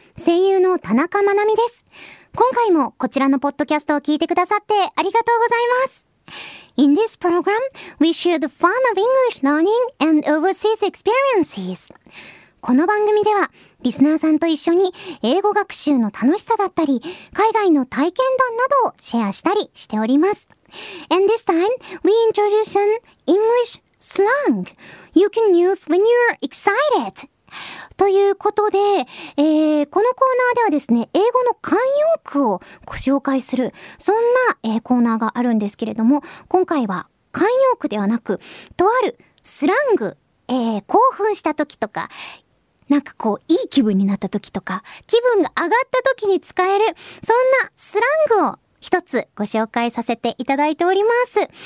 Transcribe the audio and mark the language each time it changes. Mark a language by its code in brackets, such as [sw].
[ja] 声優の田中まなみです。今回もこちらのポッドキャストを聞いてくださってありがとうございます。 [en] In this program, we share the fun of English learning and overseas experiences. [ja] この番組ではリスナーさんと一緒に英語学習の楽しさだったり、海外の体験談などをシェアしたりしております。 [en] And this time, we introduce an English slang you can use when you're excited. [ja] ということで、このコーナーではですね、英語の慣用句をご紹介する、そんな、コーナーがあるんですけれども、今回は慣用句ではなく、とあるスラング、興奮した時とか、なんかこう、いい気分になった時とか、気分が上がった時に使える、そんなスラングを一つご紹介させていただいております。